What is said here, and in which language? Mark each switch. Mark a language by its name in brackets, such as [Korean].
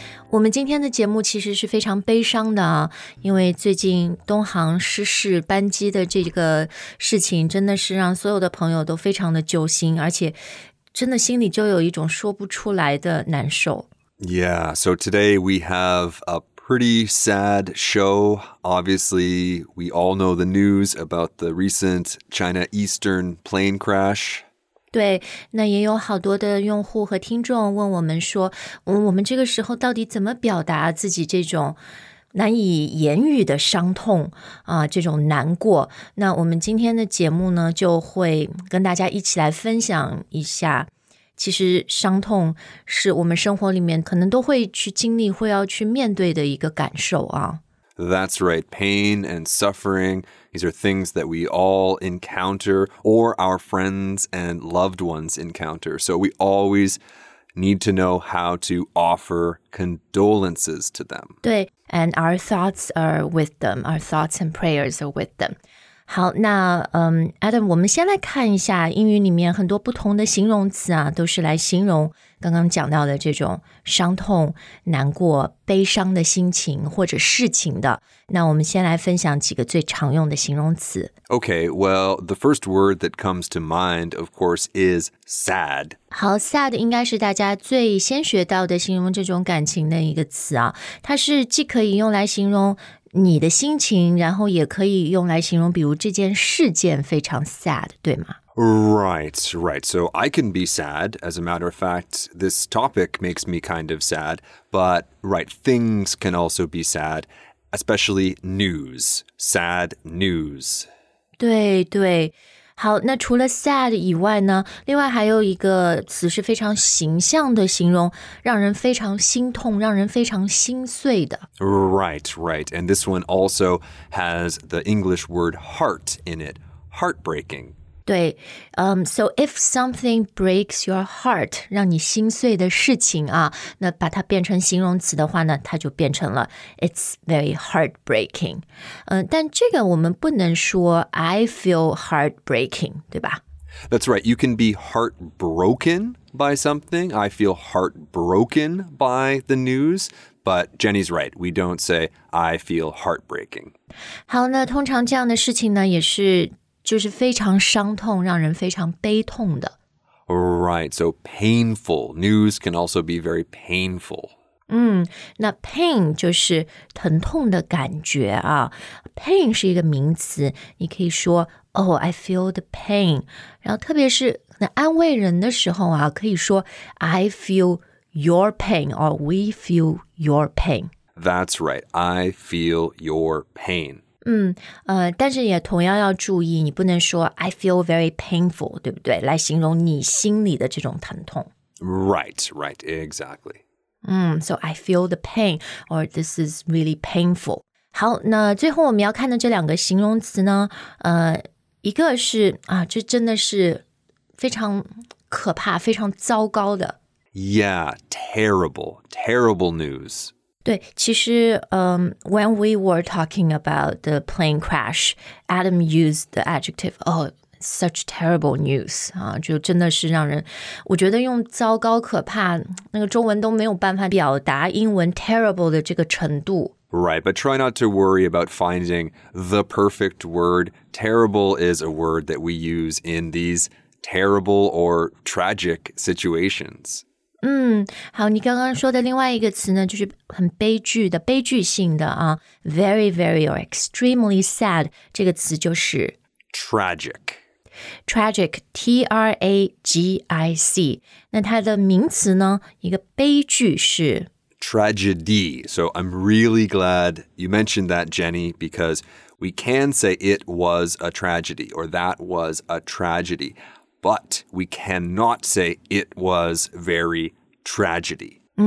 [Chinese] 我们今天的节目其实是非常悲伤的啊，因为最近东航失事班机的这个事情，真的是让所有的朋友都非常的揪心，而且真的心里就有一种说不出来的难受。 [English] Yeah, so today we have a pretty sad show. Obviously, we all know the news about the recent China Eastern plane crash. [Chinese] 对，那也有好多的用户和听众问我们说，我们这个时候到底怎么表达自己这种难以言语的伤痛啊，这种难过。那我们今天的节目呢，就会跟大家一起来分享一下。其实伤痛是我们生活里面可能都会去经历，会要去面对的一个感受啊。 [English] That's right, pain and suffering, these are things that we all encounter, or our friends and loved ones encounter. So we always need to know how to offer condolences to them. [Chinese] 对, [English] and our thoughts are with them, our thoughts and prayers are with them. [Chinese] 好，那Adam， 我们先来看一下英语里面很多不同的形容词啊，都是来形容刚刚讲到的这种伤痛、难过、悲伤的心情或者事情的。那我们先来分享几个最常用的形容词。 [English] Okay, well, the first word that comes to mind, of course, is sad. [Chinese] 好 ，sad 应该是大家最先学到的形容这种感情的一个词啊，它是既可以用来形容你的心情，然后也可以用来形容比如这件事件非常 sad, 对吗 [English] Right, right. So I can be sad. As a matter of fact, this topic makes me kind of sad. But, right, things can also be sad, especially news. Sad news. [Chinese] 对对。好，那除了 sad 以外呢，另外还有一个词是非常形象的形容，让人非常心痛，让人非常心碎的。 [English] Right, right. And this one also has the English word heart in it. Heartbreaking. [Chinese] 对， [English] so if something breaks your heart, [Chinese] 让你心碎的事情啊，那把它变成形容词的话呢，它就变成了 [English] it's very heartbreaking. [Chinese] 但这个我们不能说 [English] I feel heartbreaking, [Chinese] 对吧 [English] That's right, you can be heartbroken by something. I feel heartbroken by the news. But Jenny's right, we don't say, I feel heartbreaking. [Chinese] 好，那通常这样的事情呢，也是就是非常伤痛，让人非常悲痛的。 [English] Right, so painful. News can also be very painful. [Chinese] 那 pain 就是疼痛的感觉啊。 Pain 是一个名词，你可以说 [English] Oh, I feel the pain. [Chinese] 然后特别是那安慰人的时候啊，可以说 [English] I feel your pain, or we feel your pain. That's right, I feel your pain. [Chinese] 但是也同样要注意，你不能说 [English] I feel very painful, [Chinese] 对不对？来形容你心里的这种疼痛。 [English] Right, right, exactly. So I feel the pain, or this is really painful. [Chinese] 好，那最后我们要看的这两个形容词呢，一个是啊，这真的是非常可怕，非常糟糕的。 [English] Yeah, terrible, terrible news. [Chinese] 对，其实 [English] when we were talking about the plane crash, Adam used the adjective, oh, such terrible news. [Chinese] 就真的是让人，我觉得用糟糕可怕，那个中文都没有办法表达英文 terrible 的这个程度。 [English] Right, but try not to worry about finding the perfect word. Terrible is a word that we use in these terrible or tragic situations. [Chinese] 好，你刚刚说的另外一个词呢，就是很悲剧的、悲剧性的啊 ， [English] very, very or extremely sad [Chinese] 这个词就是 [English] tragic, tragic, T R A G I C。 [Chinese] 那它的名词呢，一个悲剧是 [English] tragedy. So I'm really glad you mentioned that, Jenny, because we can say it was a tragedy or that was a tragedy. But we cannot say it was very tragedy.